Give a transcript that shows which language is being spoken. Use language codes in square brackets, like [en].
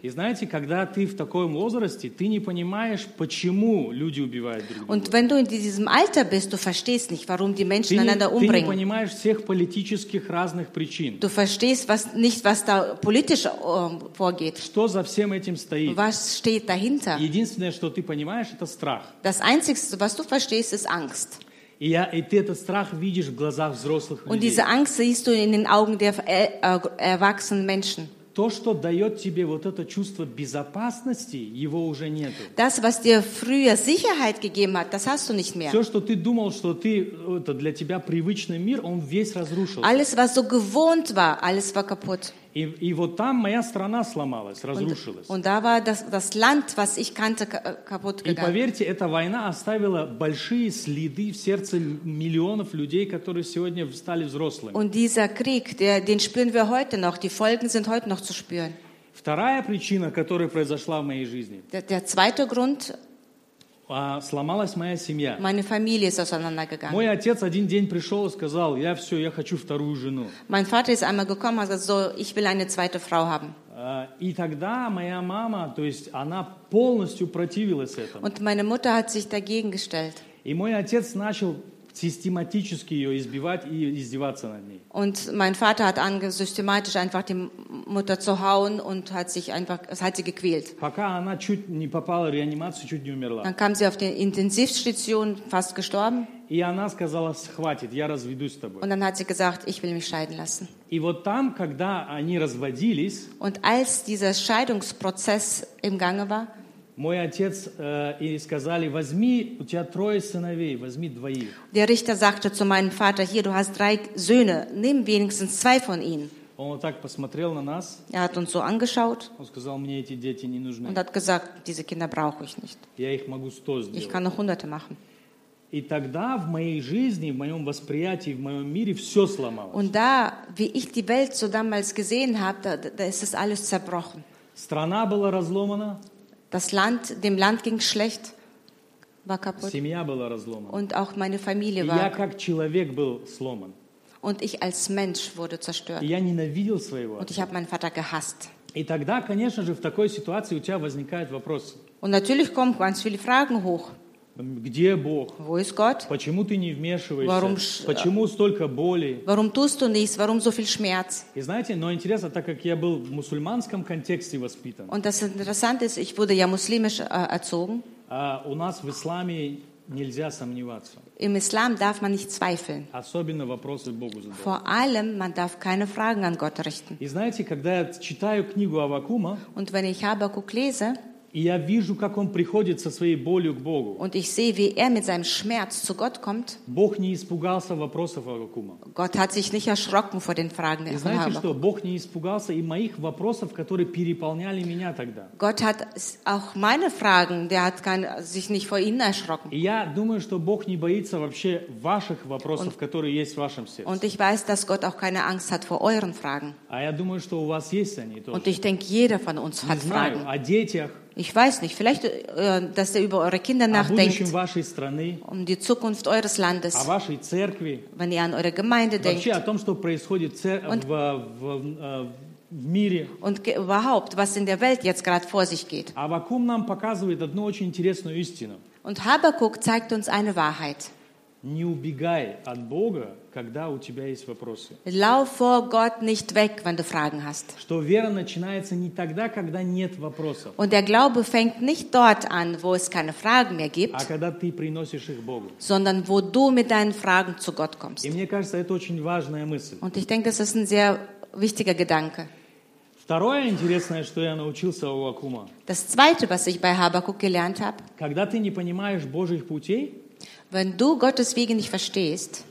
[ru] И знаете, когда ты в таком возрасте, ты не понимаешь, почему люди убивают друг друга. [de] Und wenn du in diesem Alter bist, du verstehst nicht, warum die Menschen einander umbringen. [ru] Ты не понимаешь всех политических разных причин. [de] Du verstehst was nicht, was da politisch vorgeht. [ru] Что за всем этим стоит? [de] Was steht dahinter? [ru] Единственное, что ты понимаешь, это страх. [de] Das Einzige, was du verstehst, ist Angst. [ru] И ты этот страх видишь в глазах взрослых людей. [de] Und diese Angst siehst du in den Augen der erwachsenen Menschen. [ru] То, что дает тебе вот это чувство безопасности, его уже нет. [de] Das, was dir früher Sicherheit gegeben hat, das hast du nicht mehr. [ru] Все, что ты думал, что ты это для тебя привычный мир, он весь разрушился. [de] Alles, was so gewohnt war, alles war kaputt. [ru] И вот там моя страна сломалась, разрушилась. [de] Und da war das Land, was ich kannte, kaputt gegangen. [ru] И поверьте, эта война оставила большие следы в сердце миллионов людей, которые сегодня стали взрослыми. [de] Und dieser Krieg, den spüren wir heute noch. Die Folgen sind heute noch zu spüren. [ru] Вторая причина, которая произошла в моей жизни. [de] Der zweite Grund. [ru] Сломалась моя семья. [de] Meine Familie ist auseinandergegangen. [ru] Мой отец один день пришел и сказал, я все, я хочу вторую жену. [de] Mein Vater ist einmal gekommen und sagte, so, ich will eine zweite Frau haben. [ru] И тогда моя мама, то есть она полностью противилась этому. [de] Und meine Mutter hat sich dagegen gestellt. [ru] И мой отец начал систематически ее избивать и издеваться над ней. [de] Und mein Vater hat systematisch einfach die Mutter zu hauen und hat sich einfach, hat sie gequält. [ru] Пока она чуть не попала в реанимацию, чуть не умерла. [de] Dann kam sie auf die Intensivstation, fast gestorben. [ru] И она сказала, хватит, я разведусь с тобой. [de] Und dann hat sie gesagt, ich will mich scheiden lassen. [ru] И вот там, когда они разводились, [de] und als dieser Scheidungsprozess im Gange war, [ru] мой отец и сказали, возьми, у тебя трое сыновей, возьми двоих. [de] Der Richter sagte zu meinem Vater, hier, du hast 3 Söhne, nimm wenigstens 2 von ihnen. [ru] Он вот так посмотрел на нас. [de] Er hat uns so angeschaut. [ru] Он сказал, мне эти дети не нужны. [de] Und hat gesagt, diese Kinder brauche ich nicht. [ru] Я их могу 100 сделать. [de] Ich kann noch hunderte machen. [ru] И тогда в моей жизни, в моем восприятии, в моем мире все сломалось. [de] Und da, wie ich die Welt so damals gesehen habe, da ist es alles zerbrochen. [ru] Страна была разломана. [de] Das Land, dem Land ging schlecht, war kaputt. [ru] Семья была разломана. [de] Und auch meine Familie [ru] и [de] war. [ru] Я как человек был сломан. [de] Und ich als Mensch wurde zerstört. [ru] И я ненавидел своего. [de] Und ich habe meinen Vater gehasst. [ru] И тогда, конечно же, в такой ситуации у тебя возникают вопросы. [de] Und natürlich kommen ganz viele Fragen hoch. [ru] Где Бог? [de] Wo ist Gott? [ru] Почему ты не вмешиваешься? [de] Warum, [ru] почему столько боли? [de] Warum tust du nichts? Warum so viel Schmerz? [ru] И знаете, но интересно, так как я был в мусульманском контексте воспитан. [de] Und das Interessante ist, ich wurde ja muslimisch erzogen. [ru] У нас в исламе нельзя сомневаться. [de] Im Islam darf man nicht zweifeln. [ru] Особенно вопросы Богу задавать. [de] Vor allem, man darf keine Fragen an Gott richten. [ru] И знаете, когда я читаю книгу Аввакума, [de] und wenn ich Habakkuk lese, [ru] и я вижу, как он приходит со своей болью к Богу. [de] Und ich sehe, wie mit seinem Schmerz zu Gott kommt. [ru] Бог не испугался вопросов Аввакума. [de] Gott hat sich nicht erschrocken vor den Fragen von Habakkuk. [ru] И знаете что? Бог не испугался и моих вопросов, которые переполняли меня тогда. [de] Gott hat auch meine Fragen, der hat sich nicht vor ihnen erschrocken. [ru] И я думаю, что Бог не боится вообще ваших вопросов, которые есть в вашем сердце. [de] Und ich weiß, dass Gott auch keine Angst hat vor euren Fragen. [ru] А я думаю, что у вас есть они тоже. [de] Und ich denke, jeder von uns hat [ru] знаю, [de] Fragen. [ru] О детях. [de] Ich weiß nicht, vielleicht, dass ihr über eure Kinder nachdenkt, [ru] страны, [de] um die Zukunft eures Landes, [ru] церкви, [de] wenn ihr an eure Gemeinde denkt, [ru] том, [de] und überhaupt, was in der Welt jetzt gerade vor sich geht. [ru] Аввакум нам показывает одну очень интересную истину. [de] Und Habakkuk zeigt uns eine Wahrheit. [ru] Не убегай от Бога, когда у тебя есть вопросы. [de] Lauf vor Gott nicht weg, wenn du Fragen hast. [ru] Что вера начинается не тогда, когда нет вопросов. [de] Und der Glaube fängt nicht dort an, wo es keine Fragen mehr gibt. [ru] А когда ты приносишь их Богу. [de] Sondern wo du mit deinen Fragen zu Gott kommst. [ru] И мне кажется, это очень важная мысль. [de] Und ich denke, das ist ein sehr wichtiger Gedanke. [ru] Второе интересное, что я научился у Аввакума. [de] Das zweite, was ich bei Habakkuk gelernt habe. [ru] Когда ты не понимаешь Божьих путей. [de] Wenn du Gottes Wege nicht verstehst,